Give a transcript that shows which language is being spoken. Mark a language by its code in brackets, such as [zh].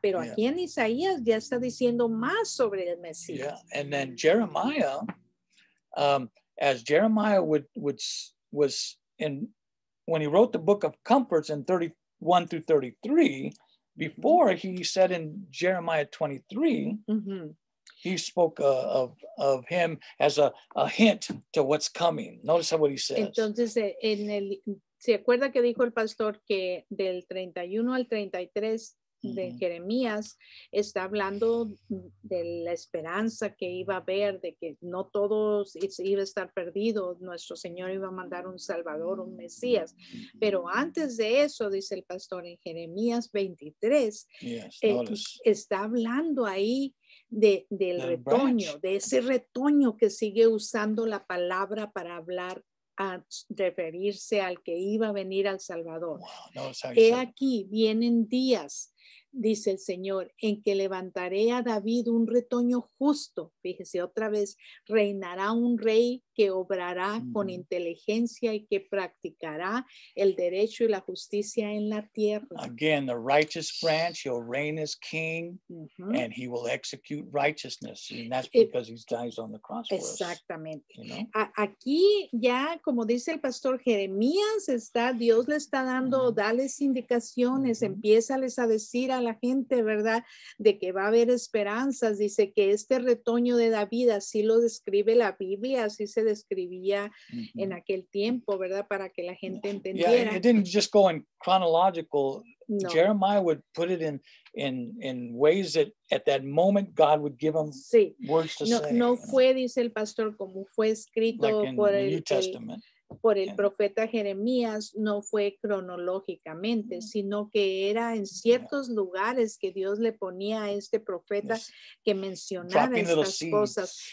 [es] Pero aquí en Isaías ya está diciendo más sobre el Mesías. [en] Yeah. And then Jeremiah, as Jeremiah was in, when he wrote the book of comforts in 31 through 33, before he said in Jeremiah 23, he spoke of him as a hint to what's coming. Notice what he says. [es] Entonces, en el, ¿se acuerda que dijo el pastor que del 31 al 33 de Jeremías está hablando de la esperanza que iba a haber, de que no todos iba a estar perdido, nuestro Señor iba a mandar un Salvador, un Mesías? Pero antes de eso, dice el pastor, en Jeremías 23, está hablando ahí del retoño, de ese retoño que sigue usando la palabra para hablar, a referirse al que iba a venir, al Salvador. He aquí, vienen días, dice el Señor, en que levantaré a David un retoño justo. Fíjese otra vez, reinará un rey que obrará con inteligencia y que practicará el derecho y la justicia en la tierra. [en] Again, the righteous branch, he'll reign as king, and he will execute righteousness. And that's because he dies on the cross for us. [es] Exactamente. [en] You know? [es] Aquí ya, como dice el pastor, Jeremías está, Dios le está dando, dales indicaciones, empiézales a decir a la gente, ¿verdad?, de que va a haber esperanzas. Dice que este retoño de David, así lo describe la Biblia, así se describía en aquel tiempo, ¿verdad?, para que la gente entendiera. [en] Yeah, it didn't just go in chronological. No. Jeremiah would put it in ways that at that moment God would give him words to say. [es] No fue, dice el pastor, como fue escrito por el [en] New Testament. [es] Por el profeta Jeremías, no fue cronológicamente, sino que era en ciertos lugares que Dios le ponía a este profeta que mencionara estas cosas.